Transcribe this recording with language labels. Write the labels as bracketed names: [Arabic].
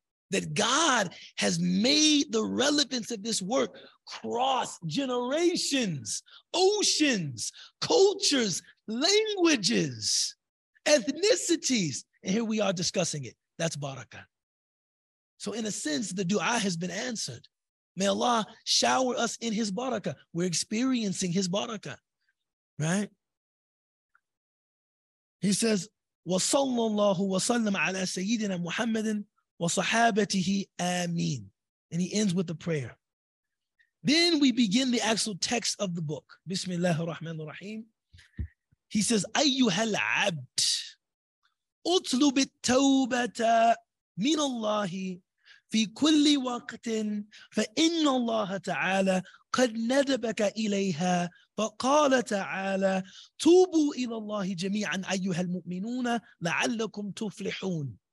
[English] That God has made the relevance of this work cross generations, oceans, cultures, languages, ethnicities. And here we are discussing it. That's barakah. So in a sense, the dua has been answered. May Allah shower us in his barakah. We're experiencing his barakah, right? He says, [Arabic] وَصَلَّ اللَّهُ وَسَلَّمَ عَلَى سَيِّدِنَا مُحَمَّدٍ وَصَحَابَتِهِ آمِين. [English] And he ends with a prayer. Then we begin the actual text of the book. Bismillah ar-Rahman ar-Rahim. He says, [Arabic] أَيُّهَا الْعَبْدُ اُطْلُبِ التَّوْبَةَ مِنَ اللَّهِ فِي كُلِّ وَقْتٍ فَإِنَّ اللَّهَ تَعَالَى قَدْ نَدَبَكَ إِلَيْهَا فَقَالَ تَعَالَى تُوبُوا إِلَى اللَّهِ جَمِيعًا أَيُّهَا الْمُؤْمِنُونَ لَعَلَّكُمْ تُفْلِحُونَ.